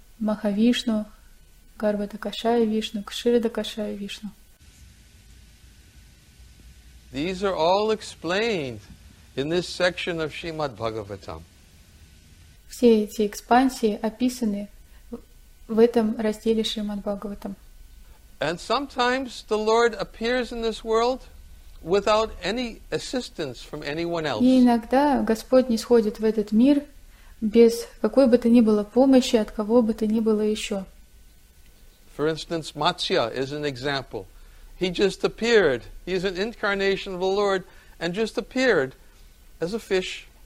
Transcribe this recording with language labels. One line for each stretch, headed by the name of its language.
Russian: Махавишну, Гарбхадакшай Вишну, Кширодакшай Вишну.
English: These are all explained in this section of Shrimad Bhagavatam.
Russian: Все эти экспансии описаны в этом разделе Шримад Бхагаватам.
English: And sometimes the Lord appears in this world without any assistance from anyone else.
Russian: И иногда Господь нисходит в этот мир без какой бы то ни было помощи от кого бы то ни было еще.
English: For instance, Matsya is an example. He just appeared. He is an incarnation of the Lord and just appeared as a fish.